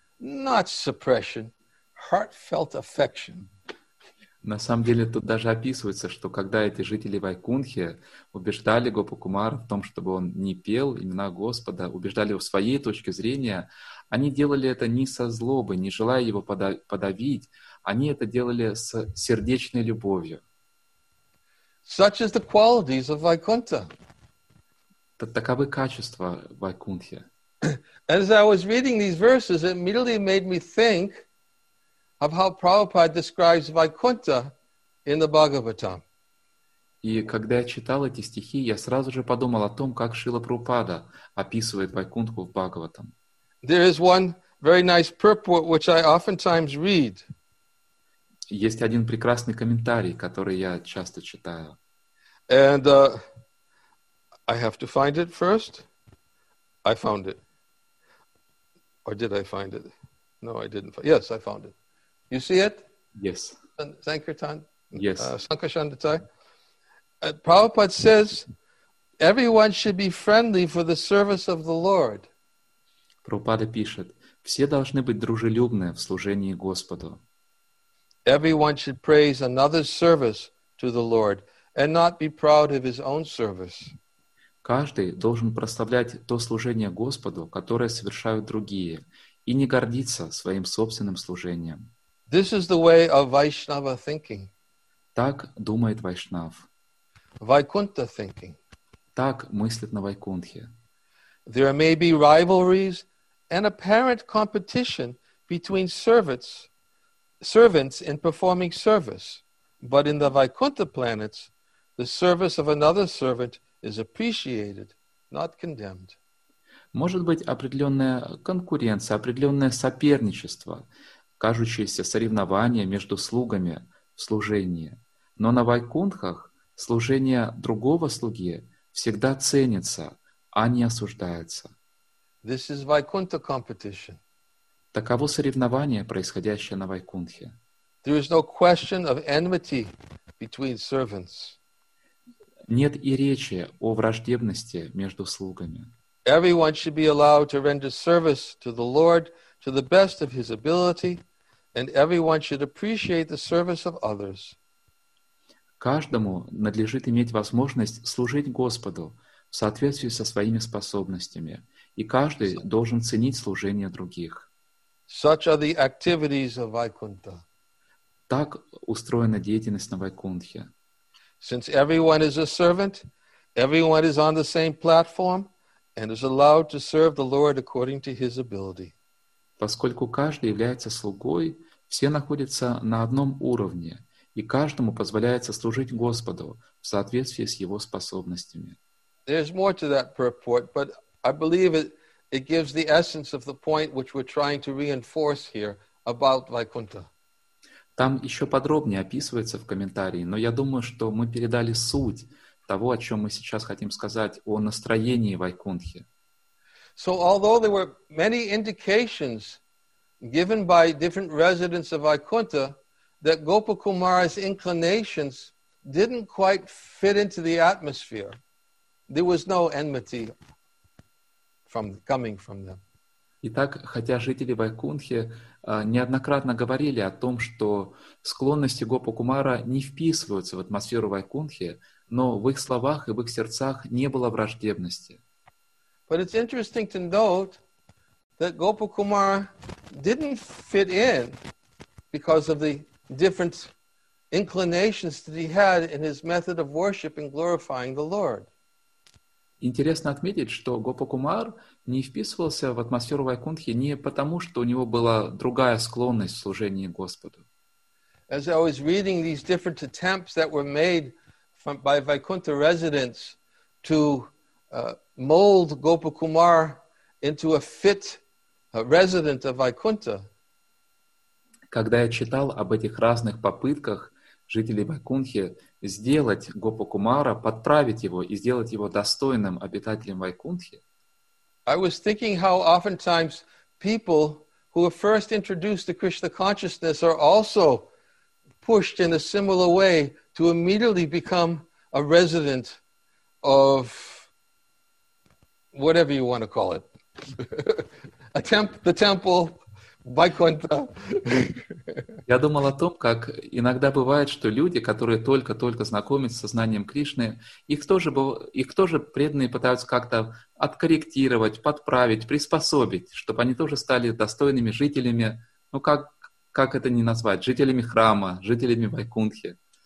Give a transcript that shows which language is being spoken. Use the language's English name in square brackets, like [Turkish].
[English] Not suppression, heartfelt affection. [Russian] На самом деле тут даже описывается, что когда эти жители Вайкунхи убеждали Гопакумара в том, чтобы он не пел имена Господа, убеждали его в своей точке зрения, они делали это не со злобы, не желая его подавить, они это делали с сердечной любовью. [English] Such is the qualities of Vaikuntha. [Russian] Таковы качества Вайкунхи. [English] As I was reading these verses, it immediately made me think of how Prabhupada describes Vaikuntha in the Bhagavatam. [Russian] И когда я читал эти стихи, я сразу же подумал о том, как Шрила Прабхупада описывает Вайкунтху в Бхагаватам. [English] There is one very nice purport which I oftentimes read. [Russian] Есть один прекрасный комментарий, который я часто читаю. [English] And I have to find it first. I found it. Or did I find it? No, I didn't. Yes, I found it. You see it? Yes. Sankirtan? Yes. Sankashandatai? Prabhupada says, everyone should be friendly for the service of the Lord. [Russian] Prabhupada пишет, все должны быть дружелюбны в служении Господу. [English] Everyone should praise another's service to the Lord and not be proud of his own service. [Russian] Каждый должен прославлять то служение Господу, которое совершают другие, и не гордиться своим собственным служением. [English] This is the way of Vaishnava thinking. [Russian] Так думает Вайшнав. [English] Vaikuntha thinking. [Russian] Так мыслит на Вайкунтхе. [English] There may be rivalries and apparent competition between servants in performing service, but in the Vaikuntha planets, the service of another servant is appreciated, not condemned. [Russian] Может быть определенная конкуренция, определенное соперничество, кажущееся соревнование между слугами в служении. Но на Вайкунтхах служение другого слуги всегда ценится, а не осуждается. [English] This is Vaikuntha competition. [Russian] Таково соревнование, происходящее на Вайкунтхе. [English] There is no question of enmity between servants. [Russian] Нет и речи о враждебности между слугами. [English] Everyone should be allowed to render service to the Lord to the best of his ability, and everyone should appreciate the service of others. [Russian] Каждому надлежит иметь возможность служить Господу в соответствии со своими способностями, и каждый должен ценить служение других. [English] Such are the activities of Vaikuntha. [Russian] Так устроена деятельность на Вайкунтхе. [English] Since everyone is a servant, everyone is on the same platform and is allowed to serve the Lord according to his ability. [Russian] Поскольку каждый является слугой, все находятся на одном уровне, и каждому позволяется служить Господу в соответствии с его способностями. [English] There's more to that purport, but I believe it gives the essence of the point which we're trying to reinforce here about Vaikuntha. [Russian] Там еще подробнее описывается в комментарии, но я думаю, что мы передали суть того, о чем мы сейчас хотим сказать, о настроении Вайкунтхи. [English] So, although there were many indications given by different residents of Vaikuntha that Gopakumara's inclinations didn't quite fit into the atmosphere, there was no enmity coming from them. [Russian] Итак, хотя жители Вайкунтхи неоднократно говорили о том, что склонности Гопакумара не вписываются в атмосферу Вайкунтхи, но в их словах и в их сердцах не было враждебности. [English] But it's interesting to note that Gopakumara didn't fit in because of the different inclinations that he had in his method of worship and glorifying the Lord. [Russian] Интересно отметить, что Гопа Кумар не вписывался в атмосферу Вайкунтхи не потому, что у него была другая склонность к служению Господу. [English] As I was reading these different attempts that were made by Vaikuntha residents to mold Gopa Kumar into a fit resident of Vaikuntha. [Russian] Когда я читал об этих разных попытках жителей Вайкунтхи сделать Гопа Кумара, подправить его и сделать его достойным обитателем Вайкунтхи. [English] I was thinking how oftentimes people who are first introduced to Krishna consciousness are also pushed in a similar way to immediately become a resident of whatever you want to call it. the temple, Vaikuntha. [Russian] Я думал о том, как иногда бывает, что люди, которые только-только знакомятся с сознанием Кришны, их тоже преданные пытаются как-то откорректировать, подправить, приспособить, чтобы они тоже стали достойными жителями, ну как это не назвать, жителями храма, жителями Вайкунтхи.